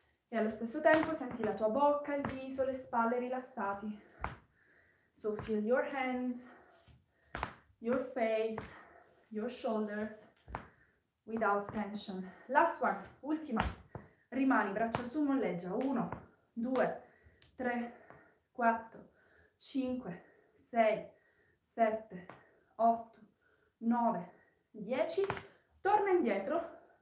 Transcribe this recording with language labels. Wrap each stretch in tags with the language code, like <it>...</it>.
<it>E allo stesso tempo senti la tua bocca, il viso, le spalle rilassati.</it> <en>So feel your hands, your face, your shoulders without tension. Last one,</en> <it>ultima. Rimani, braccia su, molleggia. 1, 2, 3, 4, 5, 6, 7, 8, 9, 10. Torna indietro.</it>